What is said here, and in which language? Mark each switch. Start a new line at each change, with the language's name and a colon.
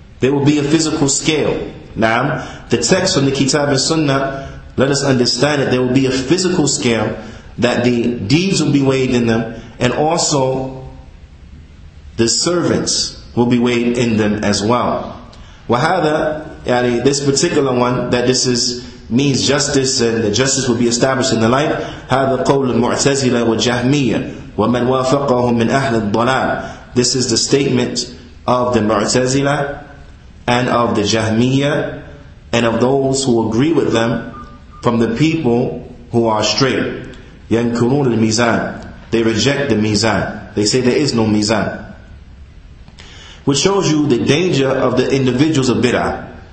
English: There will be a physical scale. Now, the text from the Kitab and Sunnah, let us understand that there will be a physical scale, that the deeds will be weighed in them, and also the servants will be weighed in them as well. Wahada, yani this particular one, that this is means justice, and the justice will be established in the light.
Arabic: هذا قول المعتزلة والجهمية ومن وافقهم من أهل الضلال.
English: This is the statement of the Mu'tazila and of the Jahmiyya and of those who agree with them from the people who are straight.
Arabic: ينكرون المزان.
English: They reject the mizan. They say there is no mizan. Which shows you the danger of the individuals of bid'ah.